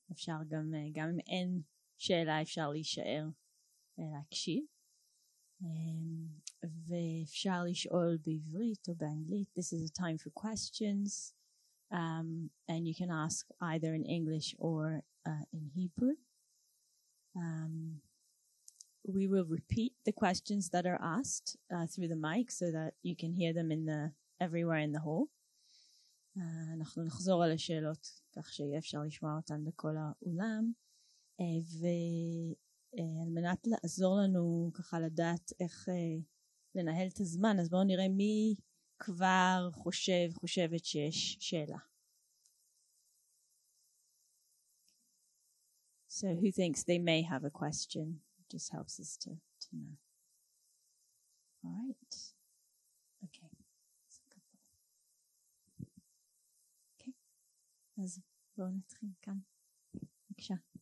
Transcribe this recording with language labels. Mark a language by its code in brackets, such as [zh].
[he] אפשר גם, גם אם אין שאלה, אפשר להישאר להקשיב. ואפשר לשאול בעברית או באנגלית. [en] This is a time for questions. And you can ask either in English or in Hebrew. We will repeat the questions that are asked through the mic so that you can hear them in the everywhere in the hall. [he] אנחנו נחזור על השאלות כך שיהיה אפשר לשמוע אותן בכל האולם. ועל מנת לעזור לנו ככה לדעת איך לנהל את הזמן, אז בואו נראה מי כבר חושבת שיש שאלה. [en] So who thinks they may have a question? Just helps us to know. All right. Okay. [he] Okay. אז בואו נתחיל כאן. בבקשה.